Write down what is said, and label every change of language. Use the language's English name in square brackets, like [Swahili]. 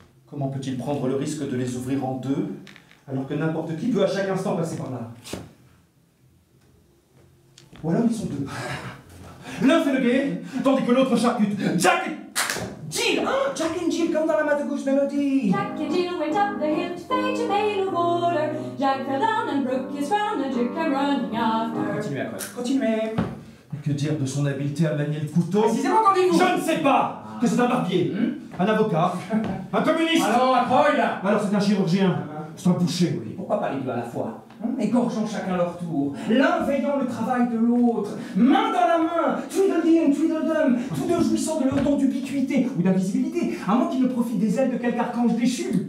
[French] Comment peut-il prendre le risque de les ouvrir en deux, alors que n'importe qui peut à chaque instant passer par là? Ou alors ils sont deux. L'un fait le guet, tandis que l'autre charcute. Jack et Jill, hein? Jack et Jill, comme dans la Madagouche Melody. [English] Jack et Jill went up the hill to fetch a pail of water. Jack fell down and broke his crown, and Jill came running after. [French] Continuez, après. Continuez. Que dire de son habileté à manier le couteau ? Précisément, entendez-vous ? Je ne sais pas que c'est un barbier, un avocat, un communiste ! Alors, Akroyd ! Alors, c'est un chirurgien, c'est un boucher, oui. Pourquoi pas les deux à la fois ? Égorgeant chacun leur tour, l'un veillant le travail de l'autre, main dans la main, tweedledee and tweedledum, tous deux jouissant de leur don d'ubiquité ou d'invisibilité, à moins qu'ils ne profitent des ailes de quelque archange déchu.